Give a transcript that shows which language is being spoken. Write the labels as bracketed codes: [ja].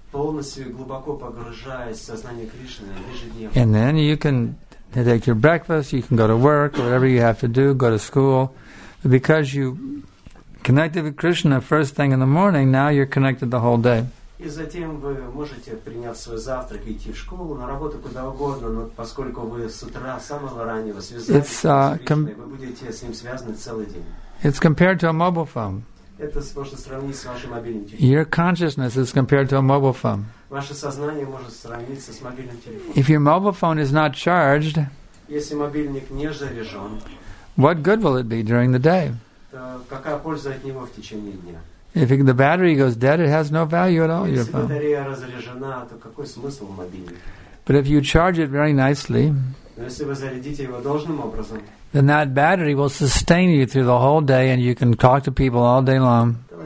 [ru] Полностью глубоко погружаясь в сознание Кришны ежедневно. [en] And then you can take your breakfast, you can go to work, whatever you have to do, go to school. But because you connected with Krishna first thing in the morning, now you're connected the whole day. [ru] И затем вы можете принять свой завтрак, идти в школу, на работу, куда угодно, но поскольку вы с утра самого раннего связались с Кришной, вы будете с ним связаны целый день. [en] It's compared to a mobile phone. [ru] Это можно сравнить с вашим мобильным телефоном. [en] Your consciousness is compared to a mobile phone. [ru] Ваше сознание может сравниться с мобильным телефоном. [en] If your mobile phone is not charged, [ru] если мобильник не заряжен, [en] what good will it be during the day? [ru] Какая польза от него в течение дня? [en] If the battery goes dead, it has no value at all. [ru] Если [en] your phone. [ru] Батарея разряжена, то какой смысл в мобильнике? [en] But if you charge it very nicely, [ru] если вы зарядите его должным образом, [en] then that battery will sustain you through the whole day and you can talk to people all day long.